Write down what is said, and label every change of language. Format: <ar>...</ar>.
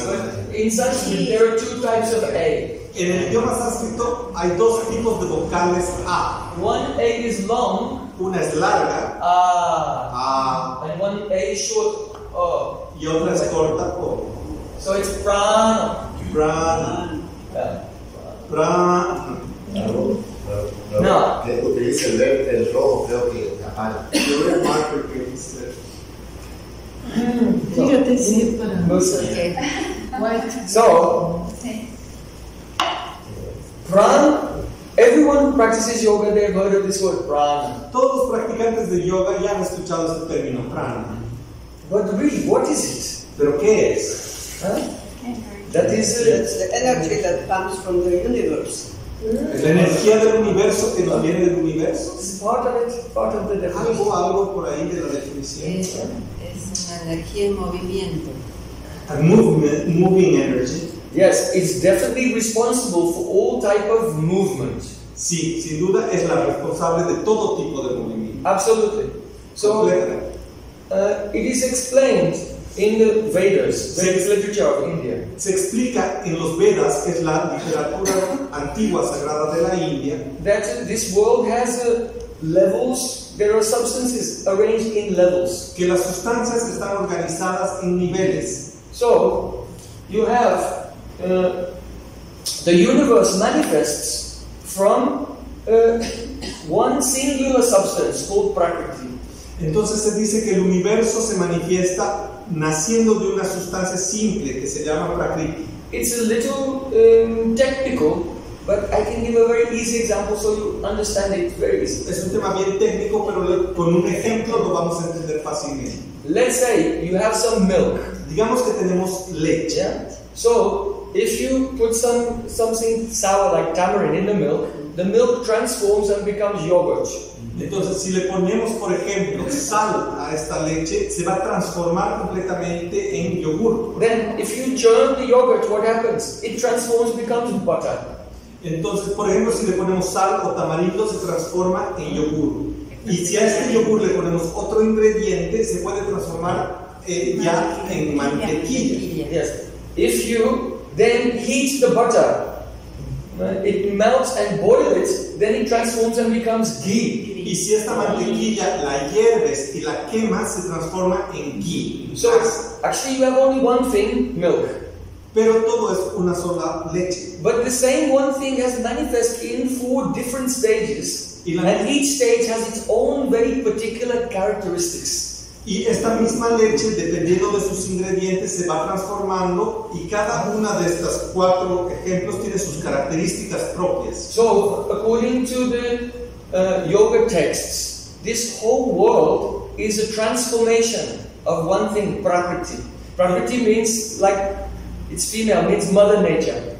<en>There are two A's, but in Sanskrit there are two types of A.</en> <es>En el idioma sánscrito hay dos tipos de vocales A.</es> <en>One A is long.</en> <es>Una es larga. Ah. Ah.</es> <en>And one A is short. Oh.</en> <es>Y otra es corta. Oh.</es> <en>So it's prana. Prana. Prana.</en> <es>No. Que utiliza el rojo, creo que tapar. Yo voy a marcar que utiliza. Fíjate si es para. No sé. So, Pran.</es> <en>Everyone who practices yoga, they have heard of this word, Pran.</en> <es>Todos los practicantes de yoga ya han escuchado este término, Pran.</es> <en>But really, what is it?</en> <es>Pero ¿qué es?</es> <en>That is the energy that comes from the universe.</en> <es>La energía del universo que nos viene del universo.</es> <en>Part of it, part of the definition.</en> <es>Algo por ahí de la definición. Es una energía en movimiento.</es> <en>A movement, moving energy. Yes, it's definitely responsible for all type of movement.</en> <es>Sí, sin duda es la responsable de todo tipo de movimiento.</es> <en>Absolutely. So, it is explained in the Vedas, the literature of India.</en> <es>Se explica en los Vedas, que es la literatura antigua sagrada de la India,</es> <en>that this world has levels, there are substances arranged in levels.</en> <es>Que las sustancias están organizadas en niveles.</es> <en>So, you have the universe manifests from one singular substance called Prakriti.</en> <es>Entonces se dice que el universo se manifiesta naciendo de una sustancia simple que se llama Prakriti.</es> <en>It's a little technical, but I can give a very easy example so you understand it very easily.</en> <es>Es un tema bien técnico, pero con un ejemplo lo vamos a entender fácilmente.</es> <en>Let's say you have some milk.</en> <es>Digamos que tenemos leche.</es> <en>Yeah? So, if you put something sour like tamarind in the milk transforms and becomes yogurt.</en> <es>Entonces, si le ponemos, por ejemplo, sal a esta leche, se va a transformar completamente en yogur.</es> <en>Then, if you churn the yogurt, what happens? It transforms, becomes butter.</en> <es>Entonces, por ejemplo, si le ponemos sal o tamarindo, se transforma en yogur. Y si a este yogur le ponemos otro ingrediente, se puede transformar ya en mantequilla.</es> <en>Yes. If you then heat the butter, it melts and boils it, then it transforms and becomes ghee.</en> <es>Y si esta mantequilla la hierves y la quemas, se transforma en ghee.</es> <en>So, actually you have only one thing, milk.</en> <es>Pero todo es una sola leche.</es> <en>But the same one thing has manifested in four different stages. And each stage has its own very particular characteristics.</en> <es>Y esta misma leche, dependiendo de sus ingredientes, se va transformando y cada una de estas cuatro ejemplos tiene sus características propias.</es> <en>So, according to the yoga texts, this whole world is a transformation of one thing, prakriti. Prakriti means, like, it's female, means mother nature.</en>